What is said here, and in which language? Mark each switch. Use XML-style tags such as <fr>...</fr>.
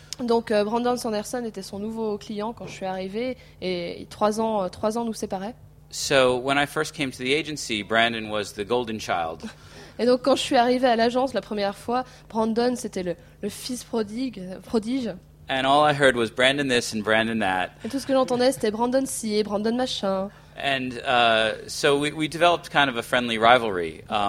<fr>Donc Brandon Sanderson était son nouveau client quand je suis arrivé et trois ans nous séparaient.</fr> <en>So when I first came to the agency, Brandon was the golden child.</en> <fr>Et donc quand je suis arrivé à l'agence la première fois, Brandon c'était le fils prodige.</fr> <en>And all I heard was Brandon this and Brandon that.</en> <fr>Et tout ce que j'entendais c'était Brandon ci et Brandon machin.</fr> <en>And so we developed kind of a friendly rivalry.</en>